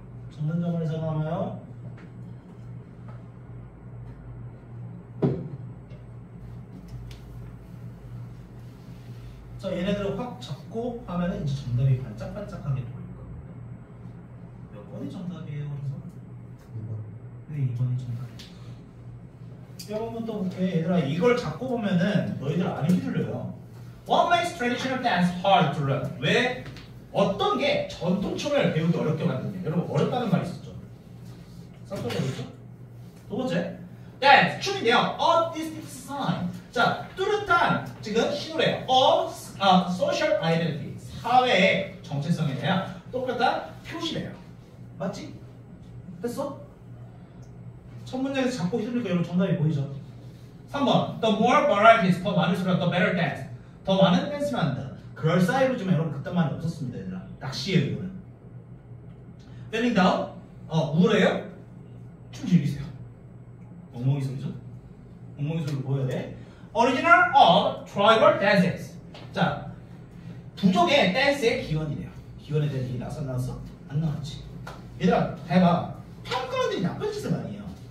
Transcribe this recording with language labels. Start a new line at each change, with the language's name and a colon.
Korean: 적는 점을 생각하며 자 얘네들을 확 잡고 하면은 이제 정답이 반짝반짝하게 보일 겁니다. 몇 번이 정답이에요? 그래서 2번. 근데 2번이 정답이에요. 여러분 또 얘들아 이걸 잡고 보면은 너희들 안 힘들어요.
English: What makes traditional dance hard to learn?
Korean: 왜? 어떤 게 전통춤을 배우기 어렵게 만드냐? 여러분 어렵다는 말 있었죠? 첫 번째 뭐죠? 두 번째 dance 춤인데요.
English: A distinct sign.
Korean: 자 뚜렷한 지금 신호래요. A social identity 사회의 정체성에 대한 똑같다 표시래요. 맞지? 됐어? 첫 문장에서 잡고 힘들고 여러분 정답이 보이죠? 3번 The more varieties 더 많을수록 the better dance 더 많은 댄스를 한다. 그럴싸해 보지만 여러분 그딴 말이 없었습니다 얘들아. 낚시예요 이거는. Feeling down? 우울해요? 춤 즐기세요. 엉엉이 소리죠? 엉엉이 소리를 보여야 돼.
English: Original of tribal dances.
Korean: 자 부족의 댄스의 기원이래요. 기원에 대한 얘기 나왔어? 안 나왔지. 얘들아 해봐. 평가원들이 나쁜 짓을 많이 해요.